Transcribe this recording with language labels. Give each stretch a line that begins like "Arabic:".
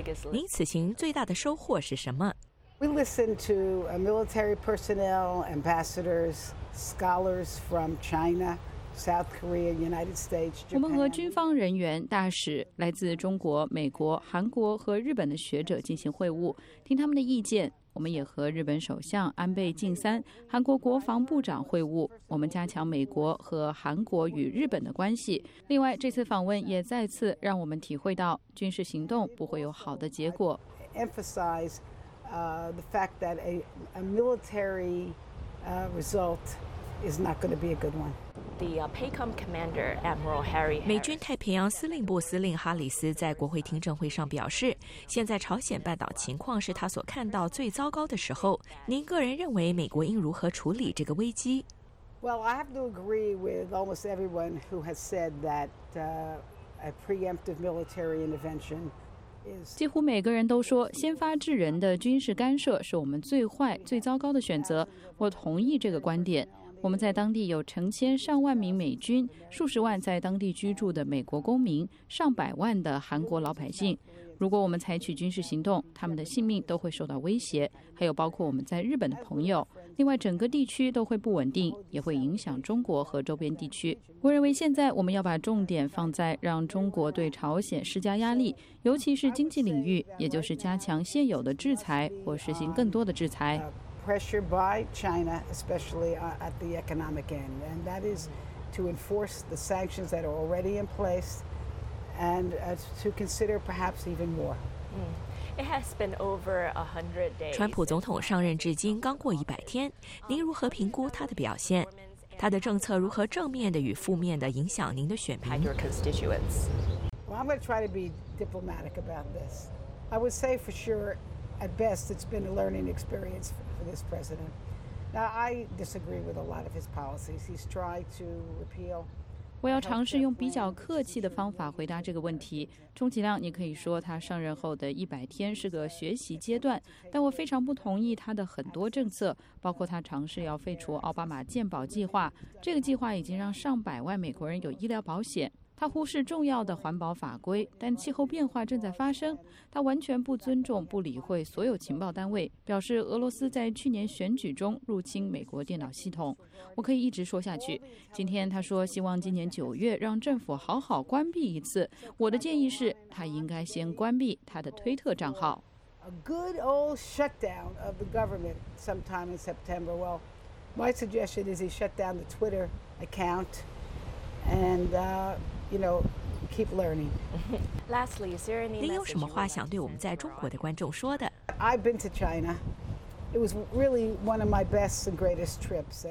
Chinese: 您此行最大的收获是什么？
English: We listened to military personnel, ambassadors, scholars from China, South Korea, United States, Japan.
Chinese: 我们和军方人员、大使、来自中国、美国、韩国和日本的学者进行会晤，听他们的意见。我们也和日本首相安倍晋三、韩国国防部长会晤，我们加强美国和韩国与日本的关系。另外，这次访问也再次让我们体会到，军事行动不会有好的结果。
English: The fact that a military result is not going to be a good one. The PACOM commander, Admiral Harry.
Chinese: 美军太平洋司令部司令哈里斯在国会听证会上表示，现在朝鲜半岛情况是他所看到最糟糕的时候。您个人认为美国应如何处理这个危机？
English: Well, I have to agree with almost everyone who has said that a preemptive military intervention.
Chinese: 几乎每个人都说，先发制人的军事干涉是我们最坏、最糟糕的选择。我同意这个观点。我们在当地有成千上万名美军，数十万在当地居住的美国公民，上百万的韩国老百姓。如果我们采取军事行动，他们的性命都会受到威胁，还有包括我们在日本的朋友。另外，整个地区都会不稳定，也会影响中国和周边地区。我认为现在我们要把重点放在让中国对朝鲜施加压力，尤其是经济领域，也就是加强现有的制裁或实行更多的制裁。
English: Pressure by China, especially at the economic end, and that is to enforce the sanctions that are already in place, and to consider perhaps even more. It has been over 100 days.
Chinese: 川普总统上任至今刚过100天，您如何评估他的表现？他的政策如何正面的与负面的影响您的选民
English: ？Your constituents. Well, I'm going to try to be diplomatic about this. I would say for sure. At best, it's been a learning experience for this president. Now, I disagree with a lot of his policies. He's tried to repeal
Chinese: 我要尝试用比较客气的方法回答这个问题。充其量你可以说他上任后的100天是个学习阶段，但我非常不同意他的很多政策，包括他尝试要废除奥巴马健保计划。这个计划已经让上百万美国人有医疗保险。他忽视重要的环保法规，但气候变化正在发生。他完全不尊重、不理会所有情报单位，表示俄罗斯在去年选举中入侵美国电脑系统。我可以一直说下去。今天他说希望今年9月让政府好好关闭一次。我的建议是，他应该先关闭他的推特账号。
English: A good old shutdown of the government sometime in September. Well, my suggestion is he shut down the Twitter account and. Keep learning. Lastly, is there any?
Chinese: 您有什么话想对我们在中国的观众说的
English: ？I've been to China. It was really one of my best and greatest trips.